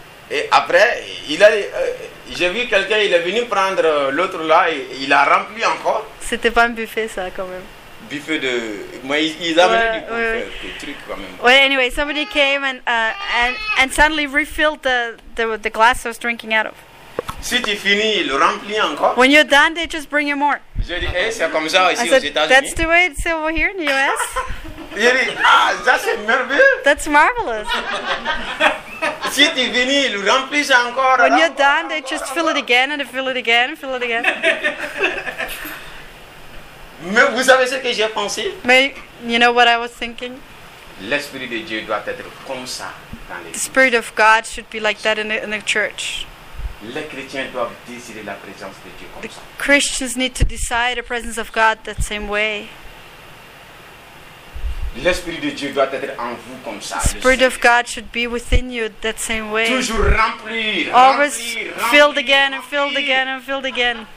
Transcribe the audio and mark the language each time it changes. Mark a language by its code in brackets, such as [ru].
[fr] Et après, j'ai vu quelqu'un, il est venu prendre l'autre là, et il a rempli encore. C'était pas un buffet ça quand même. Buffet de, mais ils avaient du truc quand même. [en] Well, anyway, somebody came and suddenly refilled the glass I was drinking out of. [fr] Si tu finis, le remplis encore. [en] When you're done, they just bring you more. [fr] Je dis, hey, c'est comme ça ici [en] I said, [fr] aux États-Unis. [en] That's the way it's over here in the US. [fr] Je dis, ah, ça c'est merveilleux. [en] That's marvelous. [fr] Si tu finis, le remplis encore. [en] When you're done, they just fill it again and fill it again and fill it again. [fr] Mais vous savez ce que j'ai pensé? Mais, [en] you know what I was thinking? [fr] L'Esprit de Dieu doit être comme ça dans l'église. [en] The Spirit of God should be like that in the church. [fr] Les chrétiens doivent désirer la présence de Dieu comme [en] the [fr] ça. [en] Christians need to desire the presence of God that same way. [fr] L'Esprit de Dieu doit être en vous comme ça. [en] The Spirit of God should be within you that same way. [fr] Toujours rempli, [en] always [fr] rempli, [en] filled again and filled again and filled again.